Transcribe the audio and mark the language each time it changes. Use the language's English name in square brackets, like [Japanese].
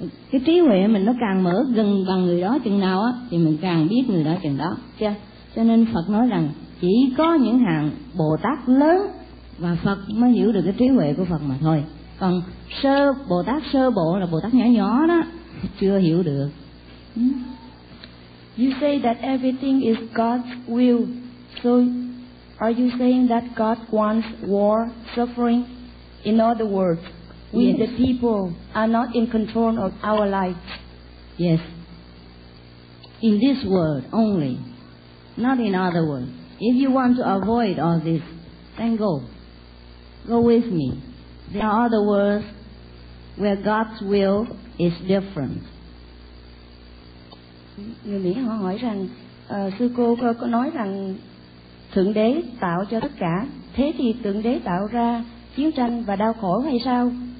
[Vietnamese] cái trí huệ mình nó càng mở gần bằng người đó chừng nào á thì mình càng biết người đó chừng đó. Chưa? Cho nên Phật nói rằng chỉ có những hàng Bồ Tát lớn và Phật mới hiểu được cái trí huệ của Phật mà thôi. Còn sơ Bồ Tát sơ bộ là Bồ Tát nhỏ nhỏ đó chưa hiểu được. [English] You say that everything is God's will. So are you saying that God wants war, suffering? In other words, we yes. The people are not in control of our life. Yes. In this world only, not in other world. If you want to avoid all this, then go. Go with me. There are other worlds where God's will is different. [Vietnamese] Người Mỹ họ hỏi rằng sư cô có nói rằng Thượng Đế tạo cho tất cả, thế thì Thượng Đế tạo ra chiến tranh và đau khổ hay sao?